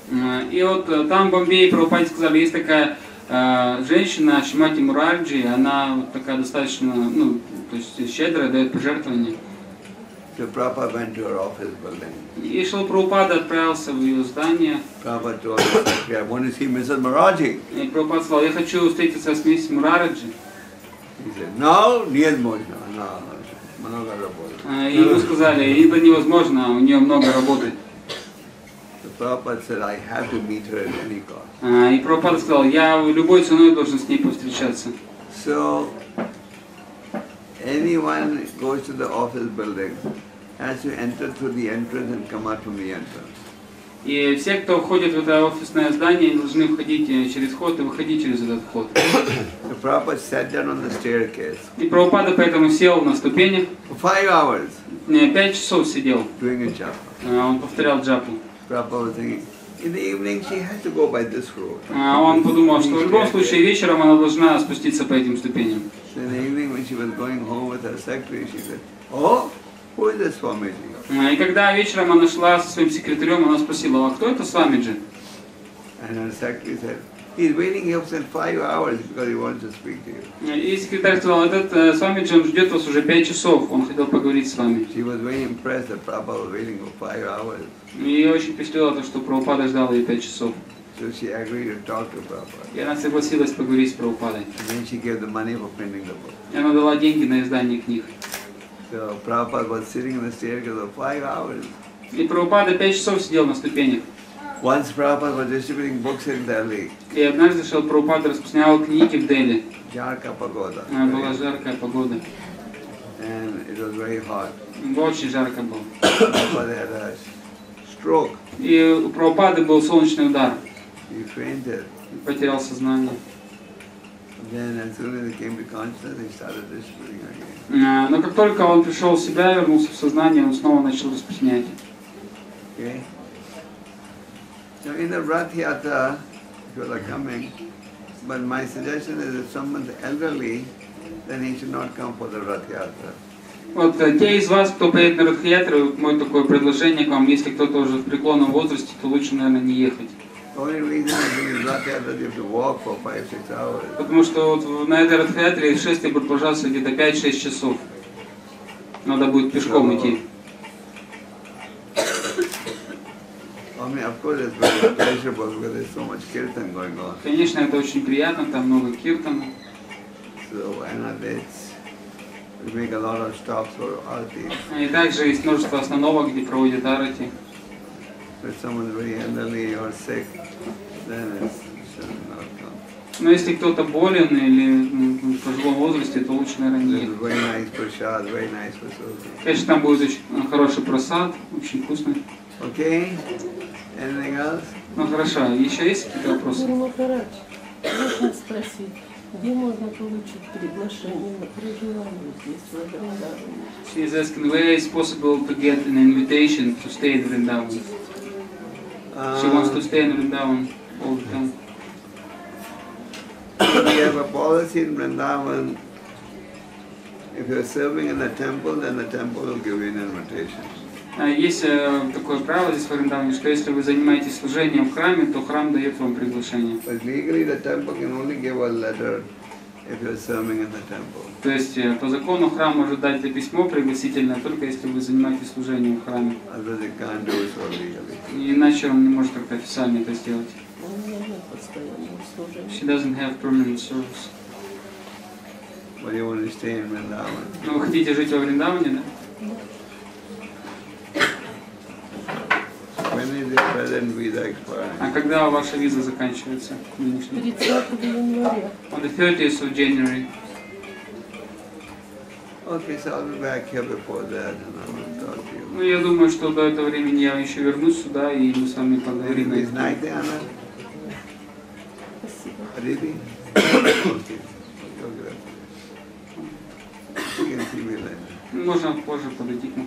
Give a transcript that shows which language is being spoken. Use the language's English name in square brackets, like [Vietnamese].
[Russian] И вот там в Бомбее Прабхупаде сказали, есть такая женщина, Шримати Мурарджи, она вот такая достаточно, ну, то есть щедрая, дает пожертвования. [English] So Prabhupada went to her office building. [Russian] И Шрила Прабхупада отправился в ее здание. [English] Prabhupada told her, I want to see Mrs. Maharaji. [Russian] И Прабхупада сказал, я хочу встретиться с миссис Мурарджи. [English] He said, no, [Russian] невозможно, она много работает. И ему сказали, это невозможно, у нее много работы. [English] So Prabhupada said, I have to meet her at any cost. [Russian] И Прабхупада сказал, я любой ценой должен с ней повстречаться. [English] So, anyone goes to the office building has to enter through the entrance and come out from the entrance. [Russian] И все, кто входит в это офисное здание, должны входить через вход и выходить через этот вход. [English] The Prabhupada sat down on the staircase. [Russian] И Прабхупада поэтому сел на ступени. [English] For 5 hours. [Russian] Не, 5 часов сидел. [English] Doing a japa. [Russian] Он повторял джапу. [English] Prabhupada was thinking, in the evening she has to go by this road. [Russian] Он подумал, что в любом случае вечером она должна спуститься по этим ступеням. [English] In the evening, when she was going home with her secretary, she said, "Oh, who is this Swamiji?" [Russian] И когда вечером она шла со своим секретарем, она спросила, а кто это Свамиджи? [English] And her secretary said, He's waiting himself 5 hours because he wants to speak to you. [Russian] И секретарь сказал, этот Свамиджи ждет вас уже 5 часов, он хотел поговорить с вами. [English] He was very impressed that Prabhupada was waiting for 5 hours. [Russian] И очень впечатлило то, что Прабхупада ждал ее 5 часов. [English] So she agreed to talk to Prabhupada. [Russian] И она согласилась поговорить с Прабхупадой. [English] Then she gave the money for printing the book. [Russian] И она дала деньги на издание книг. [English] So Prabhupada was sitting in the staircase for 5 hours. [Russian] И Прабхупада 5 часов сидел на ступенях. [English] Once Prabhupada was distributing books in Delhi. [Russian] И однажды шел Прабхупада распространял книги в Дели. Жаркая погода. Была жаркая погода. [English] And it was very hot. [Russian] Очень жарко было. [English] Prabhupada had a stroke. [Russian] И у Прабхупады был солнечный удар. [English] He fainted. [Russian] Потерял сознание. [English] Then as soon as he came to consciousness, he started distributing again. [Russian] Но как только он пришел в себя и вернулся в сознание, он снова начал распространять. [English] Okay. So in the Rath Yatra, people are coming, but my suggestion is if someone's elderly, then he should not come for the Rath Yatra. [Russian] Вот те из вас, кто поедет на Rath Yatra, мое такое предложение к вам, если кто-то уже в преклонном возрасте, то лучше, наверное, не ехать. [English] Only reason is in Rath Yatra, you have to walk for 5-6 hours. [Russian] Потому что вот на этой Rath Yatra шествие будет продолжаться где-то 5-6 часов. Надо будет пешком идти. [English] I mean, of course, it's very pleasurable because there's so much kirtan going on. [Russian] Конечно, это очень приятно, там много киртана. [English] So and we make a lot of stops for arati. [Russian] И также есть множество остановок, где проводят арати. [English] If someone's very elderly or sick, then it's should not come. [Russian] Но если кто-то болен или в пожилом возрасте, то лучше, наверное, нет. [English] Very nice prasad. [Russian] Конечно, там будет очень хороший просад, очень вкусный. [English] Okay. Anything else? [Russian] Ну хорошо, еще есть какие-то вопросы? Гуру Махарадж, можно спросить, где можно получить приглашение на проживание здесь, в [English] Вриндаване? She is asking, where is possible to get an invitation to stay in Vrindavan? She wants to stay in Vrindavan all the time. We have a policy in Vrindavan. If you're serving in the temple, then the temple will give you an invitation. [Russian] Есть такое правило здесь в Вриндаване, что если вы занимаетесь служением в храме, то храм дает вам приглашение. [English] But legally the temple can only give a letter if you're serving in the temple. [Russian] То есть по закону храм может дать это письмо пригласительное только если вы занимаетесь служением в храме. [English] Otherwise you can't do it so legally. [Russian] Иначе он не может как-то официально это сделать. Он не может постоянно служить. [English] She doesn't have permanent service. But you want to stay in Vrindavan. [Russian] Ну, вы хотите жить во Вриндаване, да? А когда ваша виза заканчивается? 30 [English] On the 30th of January. Okay, so I'll be back here before that, and I'll talk to you. [Russian] Ну, я думаю, что до этого времени я еще вернусь сюда, и мы с вами поговорим. [English] Is night, Anna? [Russian] Спасибо. Можно позже подойти к нам.